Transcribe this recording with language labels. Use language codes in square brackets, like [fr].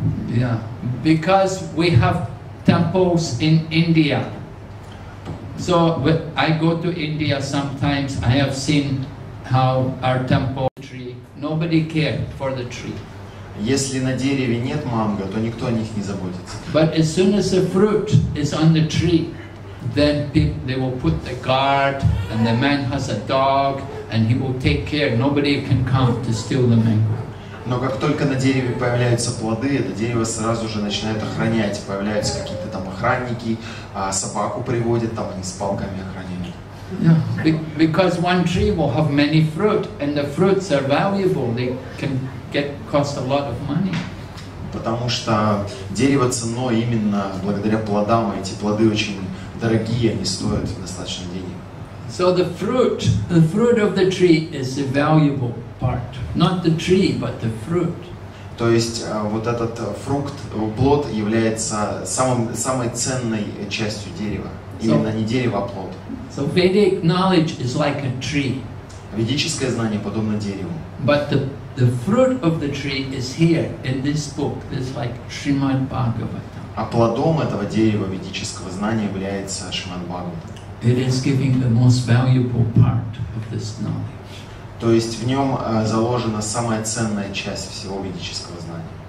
[en] Yeah, because we have temples in India. So I go to India sometimes. I have seen how our temple tree. Nobody cared for the tree. [ru] Если на дереве нет манго, то никто о них не заботится. [en] But as soon as the fruit is on the tree. Then they will put the guard, and the man has a dog, and he will take care. Nobody can come to steal the mango. [ru] Но как только на дереве появляются плоды, это дерево сразу же начинает охранять. Появляются какие-то там охранники, собаку приводят там они с палками охраняют. [en] Yeah, because one tree will have many fruit, and the fruits are valuable. They can cost a lot of money. [ru] Потому что дерево ценно именно благодаря плодам, эти плоды очень дорогие, они стоят достаточно денег. [en] So the fruit of the tree is the valuable part, not the tree, but the fruit. [ru] То есть вот этот фрукт, плод является самой ценной частью дерева, именно не дерево, а плод. [en] So Vedic knowledge is like a tree. [ru] Ведическое знание подобно дереву. [en] But the fruit of the tree is here in this book. It's like Srimad Bhagavatam. [ru] А плодом этого дерева ведического знания является Шриман Бхагаватам. [en] It is giving the most valuable part of this knowledge. [ru] То есть в нем заложена самая ценная часть всего ведического знания.